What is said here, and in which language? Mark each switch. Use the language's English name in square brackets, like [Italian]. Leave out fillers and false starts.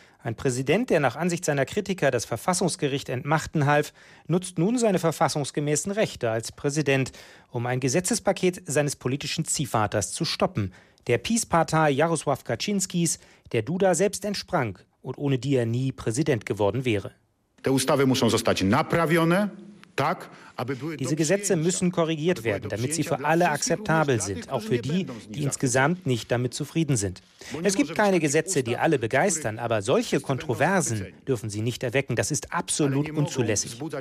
[German] Ein Präsident, der nach Ansicht seiner Kritiker das Verfassungsgericht entmachten half, nutzt nun seine verfassungsgemäßen Rechte als Präsident, um ein Gesetzespaket seines politischen Ziehvaters zu stoppen, der PiS-Partei Jarosław Kaczynskis, der Duda selbst entsprang und ohne die er nie Präsident geworden wäre. [Polish] Die Ustawy muszą zostać naprawione. [German] Diese Gesetze müssen korrigiert werden, damit sie für alle akzeptabel sind, auch für die, die insgesamt nicht damit zufrieden sind. Es gibt keine Gesetze, die alle begeistern, aber solche Kontroversen dürfen sie nicht erwecken. Das ist absolut unzulässig.